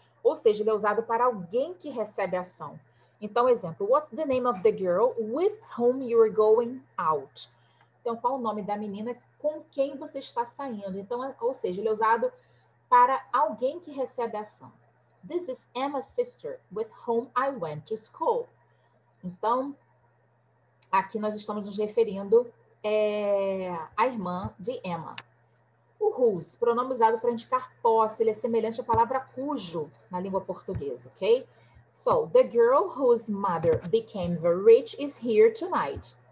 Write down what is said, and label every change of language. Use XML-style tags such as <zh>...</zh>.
<pt>Ou seja, ele é usado para alguém que recebe ação. Então, exemplo,</pt> <en>what's the name of the girl with whom you're going out?</en> <pt>Então, qual o nome da menina com quem você está saindo? Então, ou seja, ele é usado para alguém que recebe ação.</pt> <en>This is Emma's sister with whom I went to school.</en> <pt>Então, aqui nós estamos nos referindo à irmã de Emma. O whose, pronome usado para indicar posse, ele é semelhante à palavra cujo na língua portuguesa, ok?</pt> <en>So, the girl whose mother became very rich is here tonight.</en>